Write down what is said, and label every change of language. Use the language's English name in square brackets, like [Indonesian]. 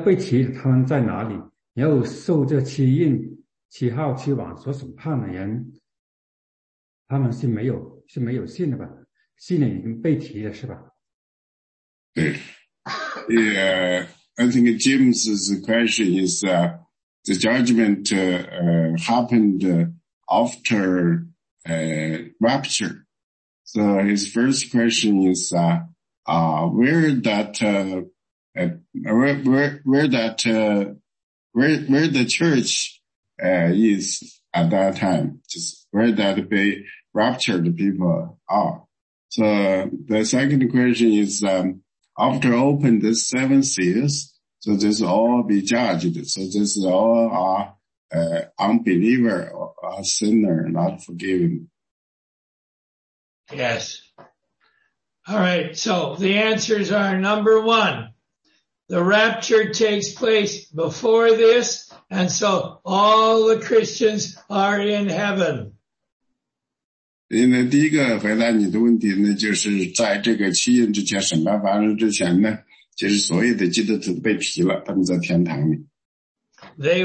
[Chinese] 还有没有其他的问题和看法？我有个问题，就是大审判之后才有那个七印、七号、七王。那大审判之前，估计全部信主的都被提了。要被提，他们在哪里？然后受这七印、七号、七王所审判的人，他们是没有信的吧？信的已经被提了，是吧？对。 [English] I think James's question is the judgment happened after rapture. So his first question is where the church is at that time, just where that be raptured people are. So the second question is after open the seven seals, so this all be judged. So this all are unbeliever or sinner, not forgiven. Yes. All right. So the answers are number one. The rapture takes place before this, and so all the Christians are in heaven. [Chinese] 第一个回答你的问题呢，就是在这个七印之前审判发生之前呢，就是所有的基督徒被提了，他们在天堂里。 [English] They